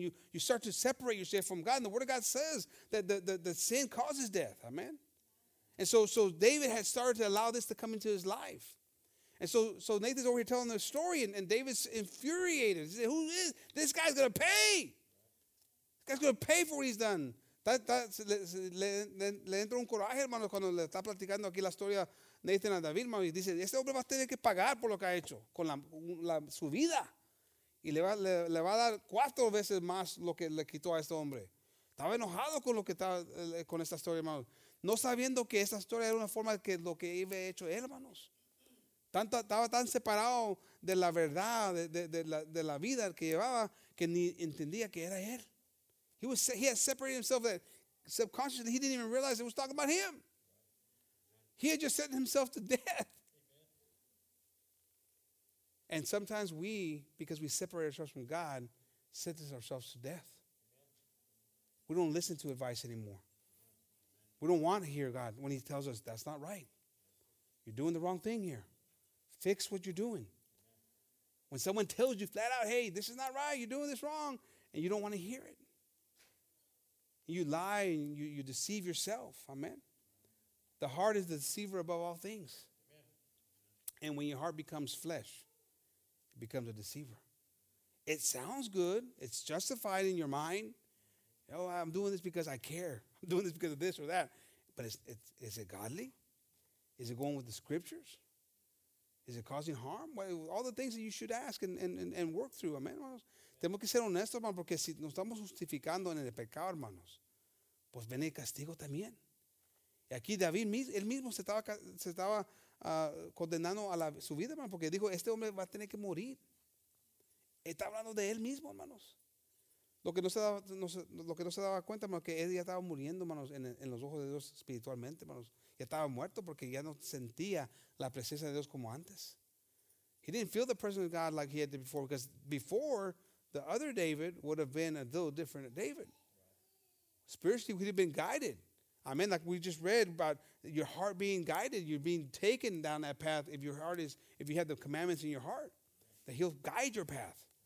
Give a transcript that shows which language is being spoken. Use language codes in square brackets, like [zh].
[en] You start to separate yourself from God. And the Word of God says that the sin causes death. Amen. And so David had started to allow this to come into his life. And so Nathan's over here telling the story, and David's infuriated. He said, who is this guy's going to pay? God's going to pay for what he's done. [es] Le entra un coraje, hermano, cuando le está platicando aquí la historia Nathan a David, hermano, y dice, este hombre va a tener que pagar por lo que ha hecho con su vida. Y le va a dar cuatro veces más lo que le quitó a este hombre. Estaba enojado con lo que estaba con esta historia, hermano. No sabiendo que esta historia era una forma que lo que había hecho él, hermanos. Estaba tan separado de la verdad, de la vida que llevaba, que ni entendía que era él. [en] He had separated himself that subconsciously he didn't even realize it was talking about him. He had just sent himself to death. And sometimes we, because we separate ourselves from God, sentence ourselves to death. We don't listen to advice anymore. We don't want to hear God when he tells us that's not right. You're doing the wrong thing here. Fix what you're doing. When someone tells you flat out, hey, this is not right, you're doing this wrong, and you don't want to hear it. You lie and you deceive yourself. Amen. The heart is the deceiver above all things. Amen. And when your heart becomes flesh, it becomes a deceiver. It sounds good. It's justified in your mind. Oh, I'm doing this because I care. I'm doing this because of this or that. But is it godly? Is it going with the scriptures? Is it causing harm? Well, all the things that you should ask and work through. Amen. [es] Tenemos que ser honestos, hermanos, porque si nos estamos justificando en el pecado, hermanos, pues viene el castigo también. Y aquí David, él mismo se estaba condenando a su vida, hermano, porque dijo, este hombre va a tener que morir. Está hablando de él mismo, hermanos. Lo que no se daba cuenta, hermanos, que él ya estaba muriendo, hermanos, en los ojos de Dios espiritualmente, hermanos. Ya estaba muerto porque ya no sentía la presencia de Dios como antes. [en] He didn't feel the presence of God like he had before, because before, the other David would have been a little different David. Spiritually, we'd have been guided. I mean, like we just read about your heart being guided. You're being taken down that path if you have the commandments in your heart, that he'll guide your path.